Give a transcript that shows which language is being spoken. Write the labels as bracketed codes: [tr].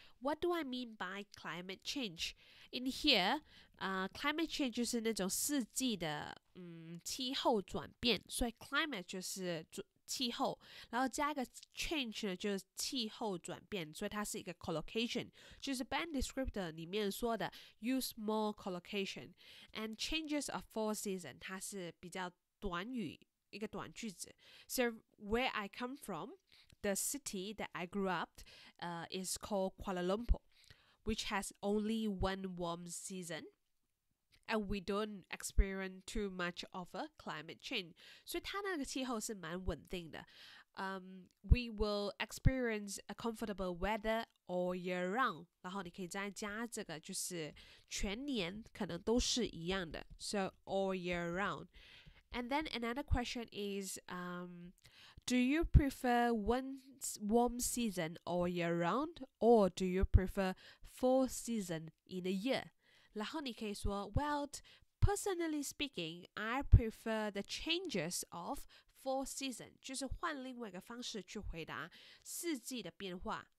[en] What do I mean by climate change? [zh] In here, climate change 就是那种四季的气候转变，所以 climate 就是气候，然后加一个 change 呢就是气候转变，所以它是一个 collocation， 就是 band descriptor 里面说的 [en] use more collocation and changes of four season， [zh] 它是比较短语。一个短句子。 [en] So where I come from, the city that I grew up is called Kuala Lumpur, which has only one warm season, and we don't experience too much of a climate change. [zh] 所以它那个气候是蛮稳定的。 [en] We will experience a comfortable weather all year round. [zh] 然后你可以再加这个，就是全年可能都是一样的。 [en] So all year round. And then another question is, do you prefer one warm season all year round, or do you prefer four seasons in a year? [zh] 然后你可以说 [en] well, personally speaking, I prefer the changes of four seasons, [zh] 就是换另外一个方式去回答四季的变化。